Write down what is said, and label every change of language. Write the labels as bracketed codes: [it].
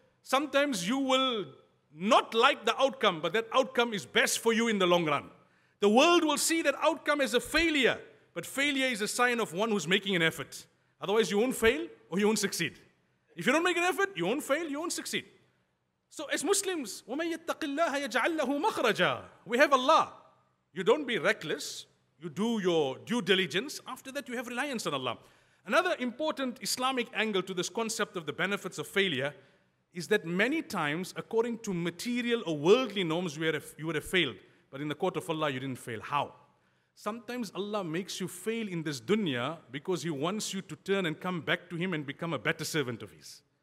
[en] Sometimes you will not like the outcome, but that outcome is best for you in the long run. The world will see that outcome as a failure, but failure is a sign of one who's making an effort. Otherwise, you won't fail or you won't succeed. If you don't make an effort, you won't fail, you won't succeed. So as Muslims, [ar] وَمَن يَتَّقِ اللَّهَ يَجْعَلْ لَهُ مَخْرَجًا. [en] We have Allah. You don't be reckless. You do your due diligence. After that, you have reliance on Allah. Another important Islamic angle to this concept of the benefits of failure is that many times, according to material or worldly norms, you would have failed. But in the court of Allah, you didn't fail. How? Sometimes Allah makes you fail in this dunya because He wants you to turn and come back to Him and become a better servant of His.